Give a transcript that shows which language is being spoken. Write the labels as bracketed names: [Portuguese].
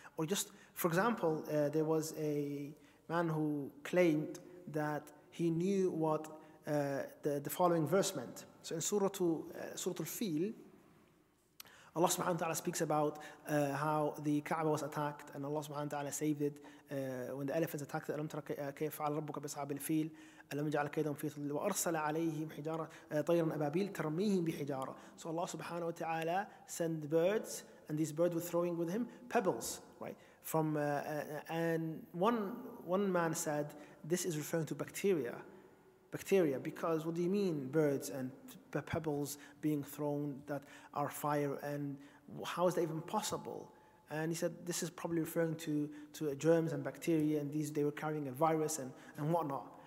[English] Or just, for example, there was a man who claimed that he knew what the following verse meant. So in Surah Al-Fil, Allah subhanahu wa ta'ala speaks about how the Kaaba was attacked and Allah subhanahu wa ta'ala saved it when the elephants attacked it. [Arabic] أَلَمْ تَرَ كَيْفَ عَلَى رَبُّكَ بِأَصْحَابِ الْفِيلِ أَلَمْ يَجْعَلْ كَيْدَهُمْ فِي تَضْلِيلٍ وَأَرْسَلَ عَلَيْهِمْ حِجَارَةً طَيْرًا أَبَابِيلَ تَرْمِيهِمْ بِحِجَارَةٍ [English] So Allah subhanahu wa ta'ala sent birds, and these birds were throwing with him pebbles, right? From and one man said, this is referring to bacteria. bacteria, because what do you mean birds and pebbles being thrown that are fire, and how is that even possible? And he said, this is probably referring to germs and bacteria, and these, they were carrying a virus and whatnot.